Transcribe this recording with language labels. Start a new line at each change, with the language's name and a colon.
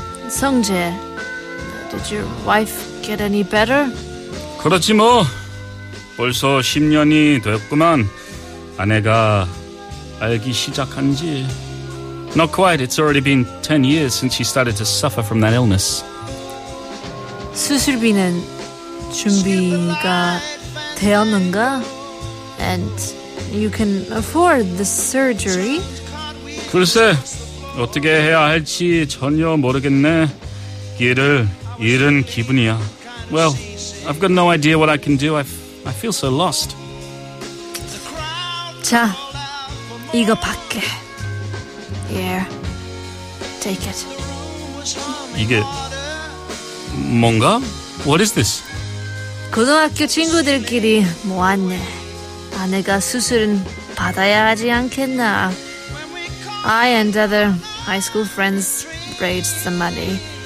English: Sung-jae, did your wife get any better?
Korean: 그렇지 뭐. 벌써 10년이 되었구만. 아내가 알기 시작한지...
English: Not quite. It's already been 10 years since she started to suffer from that illness.
Korean: 수술비는 준비가 되었는가?
English: And you can afford the surgery?
Korean: 글쎄, 어떻게 해야 할지 전혀 모르겠네. 길을 잃은 기분이야.
English: Well, I've got no idea what I can do. I feel so lost.
Korean: 자, 이거 받게.
English: Here, take it.
Korean: 이게 뭔가?
English: What is this?
Korean: 고등학교 친구들끼리 모았네. 아내가 수술은 받아야 하지 않겠나?
English: I and other high school friends raised some money.